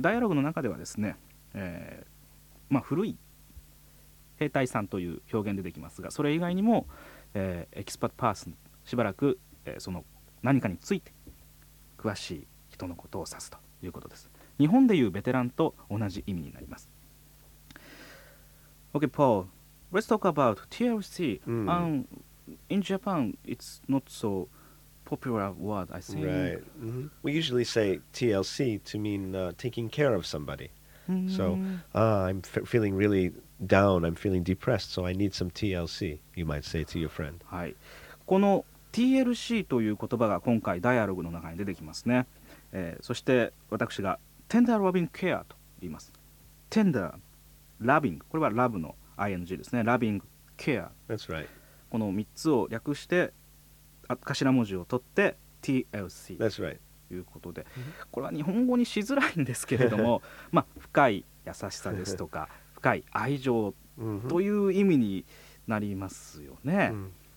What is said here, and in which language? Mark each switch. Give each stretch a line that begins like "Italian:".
Japanese: ダイアログの中ではですね、古い兵隊さんという表現出てきますが、それ以外にも、エキスパートパーソン、しばらく、その何かについて詳しい人のことを指すということです。日本でいうベテランと同じ意味になります。
English: Okay, Paul, let's talk about TLC. In Japan, it's not so popular word, I think. Right. Mm-hmm. We usually say TLC to mean taking care of somebody. Mm-hmm. So, I'm feeling really down, I'm feeling depressed, so I need some TLC, you might say to your friend.
Japanese: はい。この TLC という言葉が今回ダイアログの中に出てきますね。そして私が Tender Loving Care と言います。 Tender Loving、これはラブの ING ですね。Loving Care。
English: That's right.
Japanese: この3つを略して頭文字を取って TLC ということで、
English: That's right.
Japanese: これは日本語にしづらいんですけれども、まあ、深い優しさですとか深い愛情という意味になりますよね、mm-hmm.